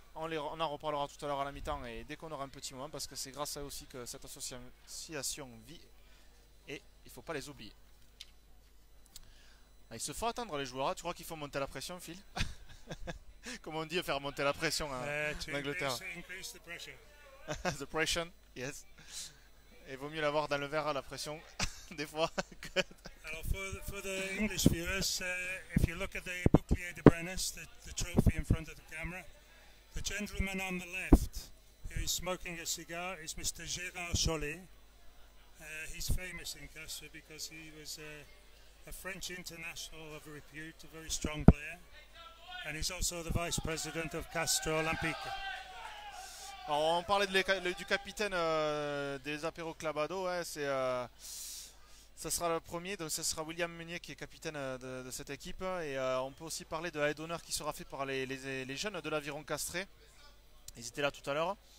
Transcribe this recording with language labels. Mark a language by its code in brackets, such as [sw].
[fr] On en reparlera tout à l'heure à la mi-temps et dès qu'on aura un petit moment, parce que c'est grâce à eux aussi que cette association vit et il ne faut pas les oublier. Ah, ils se font attendre les joueurs, tu crois qu'ils font monter la pression, Phil? Comme on dit, faire monter la pression en Angleterre. [en] Increase the pressure. The pressure, yes. [fr] Et vaut mieux l'avoir dans le verre, la pression, des fois. Alors, [en] for the English viewers, if you look at the Bouclier de Brennus, the trophy in front of the camera, the gentleman on the left, who is smoking a cigar, is Mr. Gérard Chollet. He's famous in Castres because he was... a French international of repute, a very strong player, and he's also the vice president of Castres Olympique. [fr] Alors on parlait du capitaine des Apéro Clabado, hein, ça sera le premier, donc ce sera William Meunier qui est capitaine de cette équipe, et on peut aussi parler de la d'honneur qui sera fait par les jeunes de l'aviron castré. Ils étaient là tout à l'heure.